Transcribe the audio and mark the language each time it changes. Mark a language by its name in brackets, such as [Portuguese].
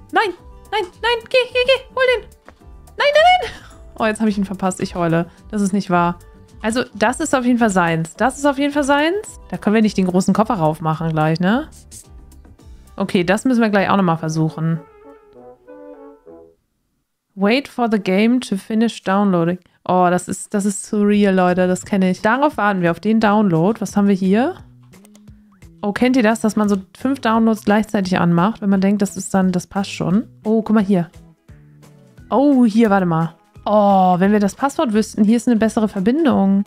[German] Nein, nein, nein. Geh, geh, geh. Hol den. Nein, nein, nein. Oh, jetzt habe ich ihn verpasst. Ich heule. Das ist nicht wahr. Also, das ist auf jeden Fall seins. Das ist auf jeden Fall seins. Da können wir nicht den großen Koffer raufmachen gleich, ne? Okay, das müssen wir gleich auch nochmal versuchen. [English] Wait for the game to finish downloading. [German] Oh, das ist surreal, Leute. Das kenne ich. Darauf warten wir, auf den Download. Was haben wir hier? Oh, kennt ihr das, dass man so 5 Downloads gleichzeitig anmacht, wenn man denkt, das ist dann, das passt schon? Oh, guck mal hier. Oh, hier, warte mal. Oh, wenn wir das Passwort wüssten, hier ist eine bessere Verbindung.